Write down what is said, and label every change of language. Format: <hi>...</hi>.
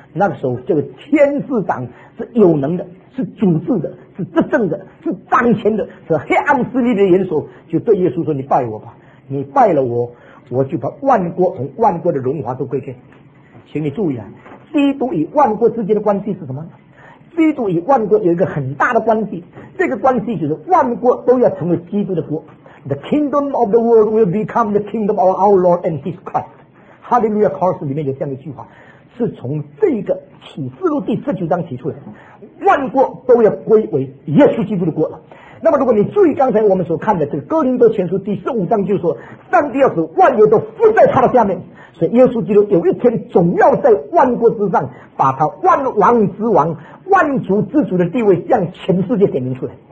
<zh>那个时候这个天使长是有能的，是主治的，是执政的，是掌权的，是黑暗势力的元首，就对耶稣说，你拜我吧，你拜了我，我就把万国和万国的荣华都归给。请你注意啊，基督与万国之间的关系是什么呢？基督与万国有一个很大的关系，这个关系就是万国都要成为基督的国。</zh> <en>The kingdom of the world will become the kingdom of our Lord and His Christ。</en> <zh>Hallelujah Chorus 里面有这样一句话，是从这个启示录第十九章提出来，万国都要归为耶稣基督的国了。那么如果你注意刚才我们所看的这个哥林多前书第十五章，就说上帝要使万有都附在他的下面，所以耶稣基督有一天总要在万国之上，把他万王之王万族之主的地位向全世界点明出来。</zh>